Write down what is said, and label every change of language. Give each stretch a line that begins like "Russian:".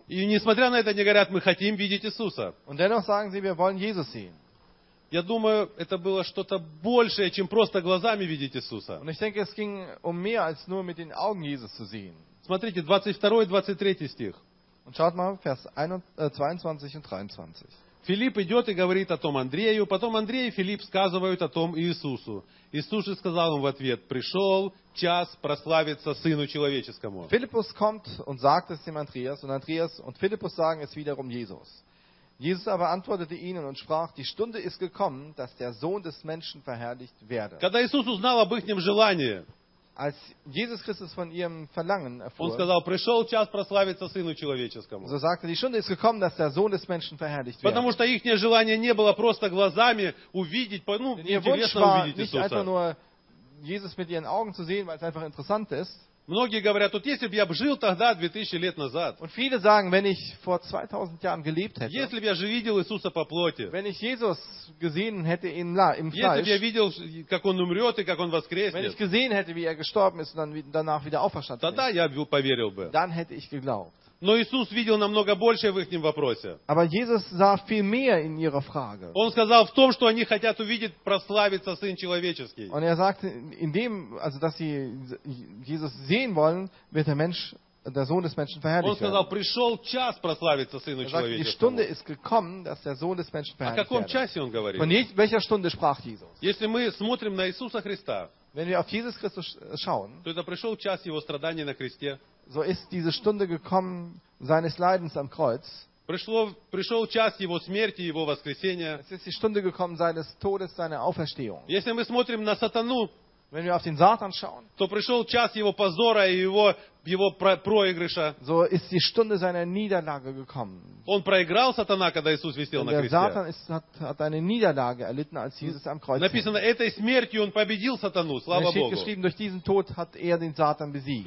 Russian: И несмотря на это, они говорят, мы хотим видеть Иисуса.
German: Und dennoch sagen sie, wir wollen Jesus sehen.
Russian: Я думаю, это было что-то большее, чем просто глазами видеть Иисуса.
German: Und ich denke, es ging um mehr als nur mit den Augen Jesus zu sehen.
Russian: Смотрите, 22 и 23 стих.
German: Und schaut mal, Vers 22 und 23.
Russian: Филипп идет и говорит о том Андрею, потом Андрей и Филипп сказывают о том Иисусу. Иисус же сказал им в ответ: «Пришел час прославиться Сыну Человеческому».
German: Philippus kommt und sagt es dem Andreas, und Andreas und Philippus sagen es wiederum Jesus. Jesus aber antwortete ihnen und sprach: Die Stunde ist gekommen, dass der Sohn des Menschen verherrlicht werde.
Russian: Когда Иисус узнал об ихнем желании,
German: als Jesus Christus von ihrem Verlangen erfuhr,
Russian: он сказал, пришел час прославиться Сыну человеческому.
German: So sagte die Stunde ist gekommen, dass der Sohn des Menschen verherrlicht wird.
Russian: Потому что их желание не было просто глазами увидеть, ну, интересно увидеть Иисуса.
German: Nicht einfach nur Jesus mit ihren Augen zu sehen, weil es einfach interessant ist.
Russian: Многие говорят, вот если бы я жил тогда 2000 лет назад.
German: Und viele sagen, wenn ich vor 2000 Jahren gelebt hätte.
Russian: Если бы я видел Иисуса по плоти.
German: Wenn ich Jesus gesehen hätte in im Fleisch.
Russian: Если бы я видел, как он умрет и как он воскреснет.
German: Wenn ich gesehen hätte, wie er gestorben ist und dann danach wieder auferstanden.
Russian: Тогда я бы поверил бы.
German: Dann hätte ich geglaubt.
Russian: Но Иисус видел намного больше в их вопросе.
German: Aber Jesus sah viel mehr in ihrer Frage.
Russian: Он сказал в том, что они хотят увидеть прославиться Сын человеческий.
German: Und er sagte in dem, also dass sie Jesus sehen wollen, wird der Mensch, der Sohn des Menschen verherrlicht.
Russian: Он сказал, пришел час прославиться Сыну человеческому.
German: Die Stunde ist gekommen, dass der Sohn des Menschen verherrlicht wird.
Russian: О каком часе он говорит?
German: Von welcher Stunde sprach Jesus?
Russian: Если мы смотрим на Иисуса Христа,
German: wenn wir auf Jesus Christus schauen,
Russian: то это пришел час его страданий на кресте.
German: So ist diese Stunde gekommen seines Leidens am Kreuz.
Russian: Пришел час его смерти, его воскресения.
German: Es ist die Stunde gekommen seines Todes, seiner Auferstehung.
Russian: Если мы смотрим на Сатану,
German: wenn wir auf den Satan schauen,
Russian: то пришел час его позора и его проигрыша.
German: So ist die Stunde seiner Niederlage gekommen.
Russian: Он проиграл Сатана, когда Иисус висел на кресте.
German: Der Satan hat eine Niederlage erlitten, als Jesus am Kreuz.
Russian: Написано, этой смертью он победил Сатану. Слава Богу.
German: Geschrieben, durch diesen Tod hat den Satan besiegt.